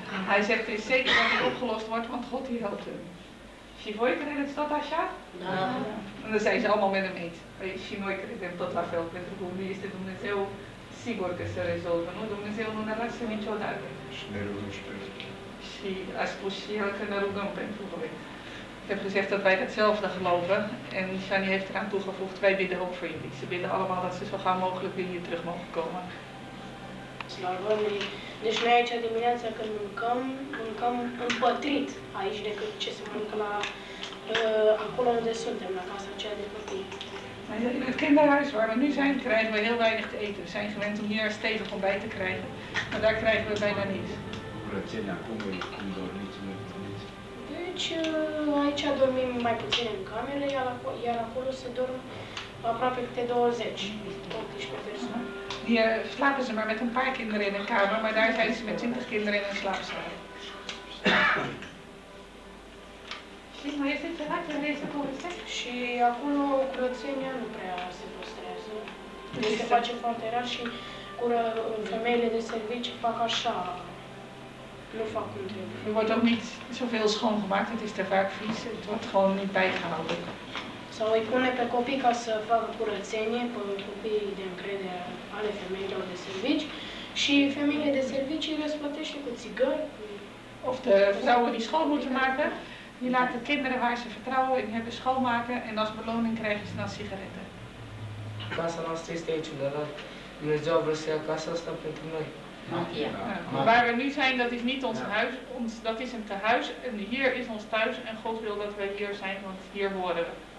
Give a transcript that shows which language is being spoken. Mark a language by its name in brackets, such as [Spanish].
[Dutch] Hij zegt het is zeker dat het opgelost wordt, want God die helpt hem. [Romanian] Și voi credeți tot așa? Da. [Dutch] En dan zijn ze allemaal met hem eens. [Romanian] Și noi credem tot la fel, pentru că unde este Dumnezeu, sigur că se rezolvă, nu? Dumnezeu nu ne lasă niciodată. Și ne rugăm și pentru. Și a spus și el că ne rugăm pentru voi. [Dutch] Ik heb gezegd dat wij hetzelfde geloven en Shani heeft eraan toegevoegd, wij bidden ook voor jullie. Ze bidden allemaal dat ze zo gauw mogelijk weer hier terug mogen komen. [Romanian] Slavă Domnului. Deci noi aici dimineața când mâncăm împătrit aici decât ce se mâncă la acolo unde suntem, la casa aceea de copii. [Dutch] In het kinderhuis waar we nu zijn, krijgen we heel weinig te eten. We zijn gewend om hier stevig ontbijt te krijgen, maar daar krijgen we bijna niets. [Romanian] Deci aici dormim mai puțin în camere, iar acolo se dorm aproape câte 20, 18 persoane. [Dutch] Hier slapen ze maar met een paar kinderen in een kamer, maar daar zijn ze met 20 kinderen in een slaapzaal. Zie, maar je zit te laat in deze poort, hè? En daar [Romanian] curățenia nu prea se păstrează. Deci se face foarte rar și femeile de servicii fac așa. Nu fac cum trebuie. [Dutch] Er wordt ook niet zoveel schoongemaakt, het is te vaak vies, het wordt gewoon niet bijgehouden. [Romanian] Sau îi pune pe copii ca să facă curățenie pe copiii de încredere ale femeilor de servici și femeile de servici îi răsplătește cu țigări. [Dutch] Of de vrouwen die schoon moeten maken, die laten kinderen waar ze vertrouwen in hebben schoonmaken en als beloning krijgen ze dan sigaretten. [Romanian] Casa noastră este aici, dar Dumnezeu vrea să ia casa asta pentru noi. [Dutch] Ja. Ja. Waar we nu zijn, dat is niet ons huis, dat is een tehuis en hier is ons thuis en God wil dat wij hier zijn, want hier horen we.